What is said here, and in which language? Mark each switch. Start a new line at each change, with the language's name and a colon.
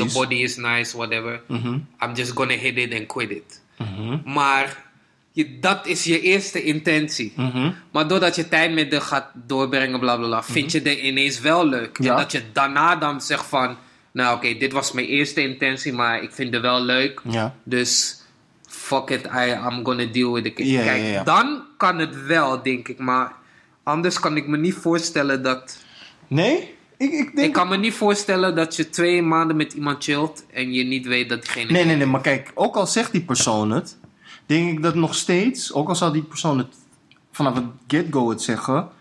English: Of the body is nice, whatever. Mm-hmm. I'm just gonna hit it and quit it. Mm-hmm.
Dutch: Maar dat is je eerste intentie. Mm-hmm. Maar doordat je tijd met haar gaat doorbrengen, blablabla, vind je haar ineens wel leuk. Ja. En dat je daarna dan zegt van, nou oké, dit was mijn eerste intentie, maar ik vind haar wel leuk. Ja.
English: Dus fuck it, I'm gonna deal with the kid. Yeah,
Dutch: kijk, dan kan het wel, denk ik, maar... Anders kan ik me niet voorstellen dat... Nee? Ik denk... Ik kan me niet voorstellen dat je 2 maanden met iemand chillt... en je niet weet dat diegene... Nee. Maar kijk, ook al zegt die persoon het... denk ik dat nog steeds... ook al zal die persoon het vanaf het get-go het zeggen...